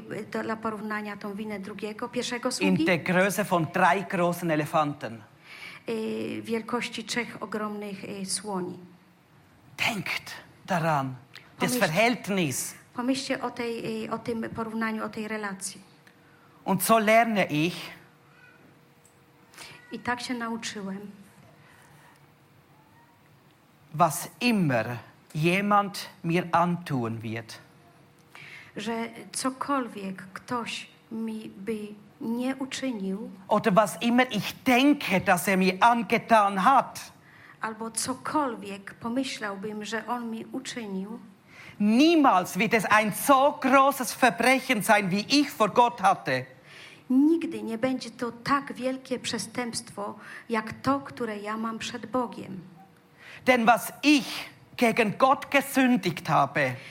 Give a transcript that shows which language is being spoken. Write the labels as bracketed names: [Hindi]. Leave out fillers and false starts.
[Polish] Dla porównania tą winę drugiego, pierwszego sługi. [German] In der Größe von 3 großen Elefanten. [Polish] Wielkości 3 ogromnych słoni. [German] Denkt daran. Das Verhältnis. [Polish] Pomyślcie o tej, o tym porównaniu, o tej relacji. [German] Und so lerne ich. [Polish] I tak się nauczyłem. [German] Was immer jemand mir antun wird. [Polish] Że cokolwiek ktoś mi by nie uczynił. [German] Oder was immer ich denke, dass mir angetan hat. [Polish] Albo cokolwiek pomyślałbym, że on mi uczynił. [German] Niemals wird es ein so großes Verbrechen sein, wie ich vor Gott hatte. [Polish] Nigdy nie będzie to tak wielkie przestępstwo, jak to, które ja mam przed Bogiem. [German] Denn was ich gegen Gott gesündigt habe.